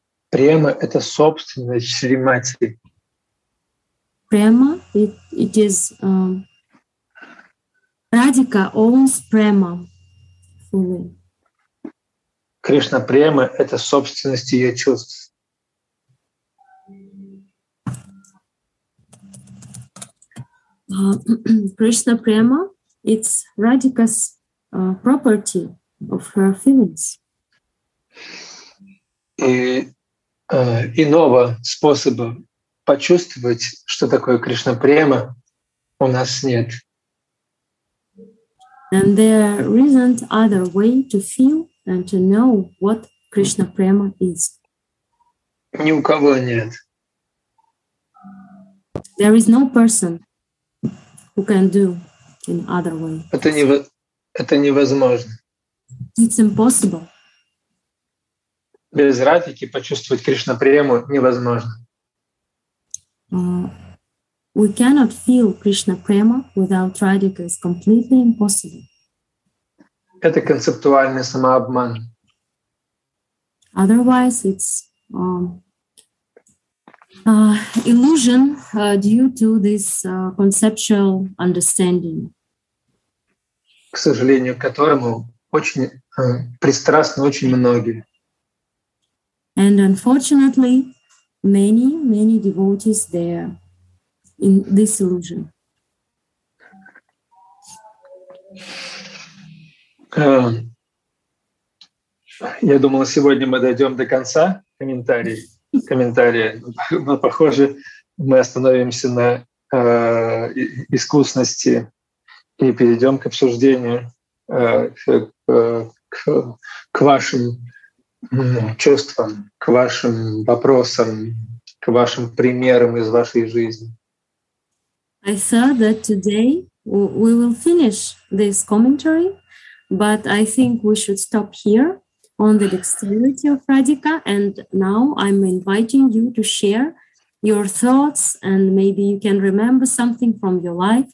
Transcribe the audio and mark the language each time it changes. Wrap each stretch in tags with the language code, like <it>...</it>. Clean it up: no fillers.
<ru>Према — это собственность Шри Матери.</ru> <en>Према — it is... Радика owns према fully.</en> <ru>Кришна према — это собственность ее чувств.</ru> <en>Кришна према — it's Radhika's property of her feelings.</en> <ru>Иного способа почувствовать, что такое Кришна према, у нас нет.</ru> <en>And there isn't other way to feel and to know what Krishna prema is.</en> <ru>Ни у кого нет.</ru> <en>There is no person who can do in other way.</en> <ru>Это невозможно.</ru> <en>It's impossible.</en> <ru>Без Радхики почувствовать Кришна прему невозможно.</ru> <en>We cannot feel Krishna prema without Radhika is completely impossible.</en> <ru>Это концептуальный самообман.</ru> <en>Otherwise, it's illusion due to this conceptual understanding.</en> <ru>К сожалению, к которому очень пристрастны очень многие.</ru> <en>And unfortunately, many, many devotees there in this illusion.</en> <ru>Я думал, сегодня мы дойдем до конца комментарии. Но, похоже, мы остановимся на искусности и перейдем к обсуждению к вашим чувствам, к вашим вопросам, к вашим примерам из вашей жизни.</ru> <en>I saw that today we will finish this commentary. But I think we should stop here on the dexterity of Radhika. And now I'm inviting you to share your thoughts and maybe you can remember something from your life.</en>